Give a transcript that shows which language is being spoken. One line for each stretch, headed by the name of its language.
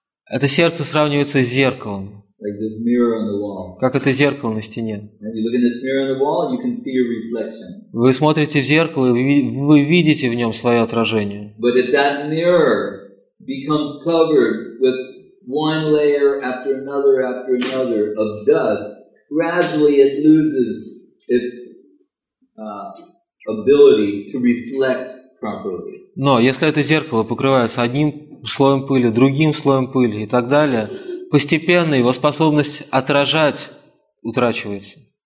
Russian: Это сердце сравнивается с зеркалом.
English: Like this mirror on the wall.
Russian: Как это зеркало на стене.
English: And you look in this mirror on the wall, you can see your reflection.
Russian: Вы смотрите в зеркало, и вы видите в нем свое отражение.
English: But if that mirror becomes covered with one layer after another of dust, gradually it loses its ability to reflect properly.
Russian: Но если это зеркало покрывается одним слоем пыли, другим слоем пыли и так далее, постепенно его способность отражать утрачивается.